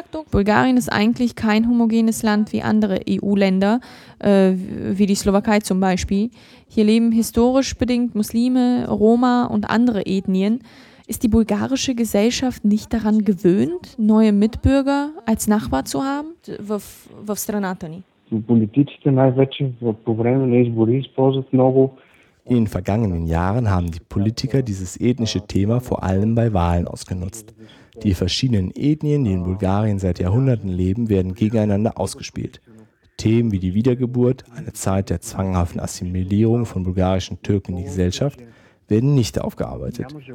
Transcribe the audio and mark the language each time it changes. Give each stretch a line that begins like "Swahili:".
German: Bulgarien ist eigentlich kein homogenes Land wie andere EU-Länder, wie die Slowakei zum Beispiel. Hier leben historisch bedingt Muslime, Roma und andere Ethnien. Ist die bulgarische Gesellschaft nicht daran gewöhnt, neue Mitbürger als Nachbar zu haben?
Bulgarian: Във страната ни. Политиците най-вече по време на избори използват много.
German: In den vergangenen Jahren haben die Politiker dieses ethnische Thema vor allem bei Wahlen ausgenutzt. Die verschiedenen Ethnien, die in Bulgarien seit Jahrhunderten leben, werden gegeneinander ausgespielt. Themen wie die Wiedergeburt, eine Zeit der zwanghaften Assimilierung von bulgarischen Türken in die Gesellschaft, werden nicht aufgearbeitet.